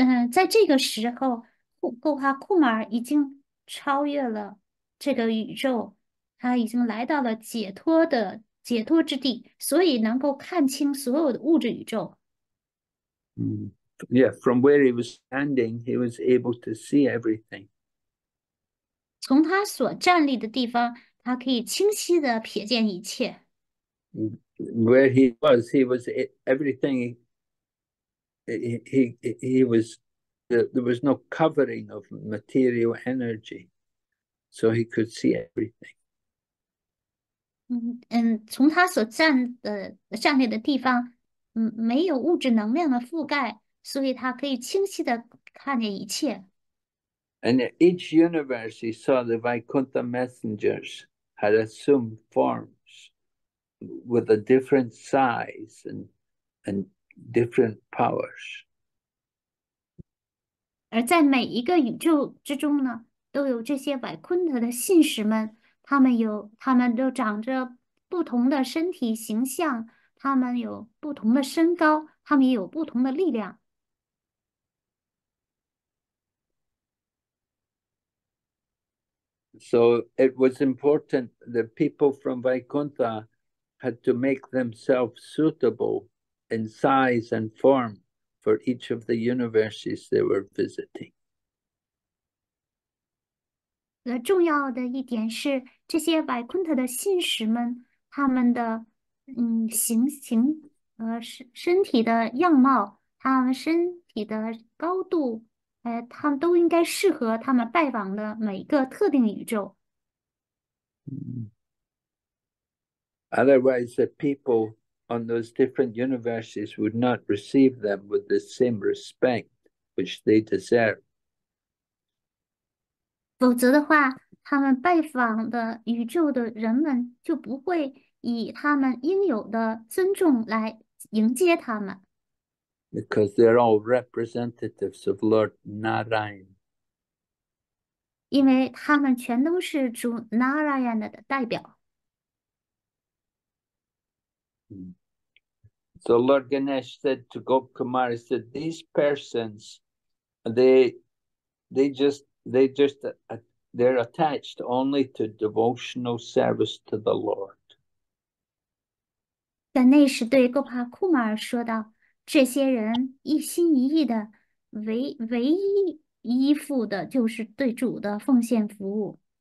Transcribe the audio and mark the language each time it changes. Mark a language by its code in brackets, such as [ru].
[zh] 在这个时候，库马已经超越了这个宇宙，他已经来到了解脱之地，所以能够看清所有的物质宇宙。 [en] Yeah, from where he was standing, he was able to see everything. [zh] 从他所站立的地方，他可以清晰地瞥见一切。 [en] Where he was everything. He was, there was no covering of material energy, so he could see everything. [zh] 从他所站立的地方，没有物质能量的覆盖，所以他可以清晰的看见一切。 [en] And each universe he saw the Vaikuntha messengers had assumed forms with a different size and different powers. [zh] 而在每一个宇宙之中呢，都有这些百昆特的信使们，他们都长着不同的身体形象，他们有不同的身高，他们也有不同的力量。 [en] So it was important that people from Vaikuntha had to make themselves suitable in size and form for each of the universes they were visiting. [zh] 重要的一点是，这些百昆特的信使们。他们的形身体的样貌，他们身体的高度，他们都应该适合他们拜访的每一个特定宇宙。 [en] Otherwise, the people on those different universes would not receive them with the same respect which they deserve. [zh] 否则的话，他们拜访的宇宙的人们就不会以他们应有的尊重来迎接他们。 [en] Because they're all representatives of Lord Narayan. [zh] 因为他们全都是主 Narayan 的代表。 [en] So Lord Ganesh said to Gop Kumar, he said, these persons, they're attached only to devotional service to the Lord. [zh] 但那时对哥帕库马尔说道：“这些人一心一意的，唯一依附的就是对主的奉献服务。